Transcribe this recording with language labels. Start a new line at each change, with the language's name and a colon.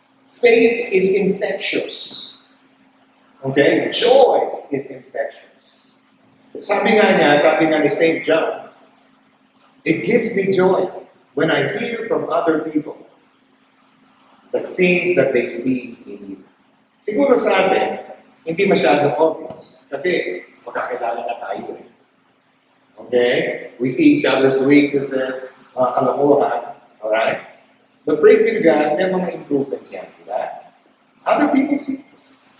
English: Faith is infectious. Okay? Joy is infectious.
Filipino: Sabi nga ni
English: St. John, it gives me joy when I hear from other people the things that they see in you.
Filipino: Siguro sa atin, hindi masyado obvious kasi magkakilala na tayo.
English: Okay? We see each other's weaknesses,
Filipino: mga kalamuhan,
English: alright? But praise be to God,
Filipino: may mga improvements yan, diba?
English: Other people see this.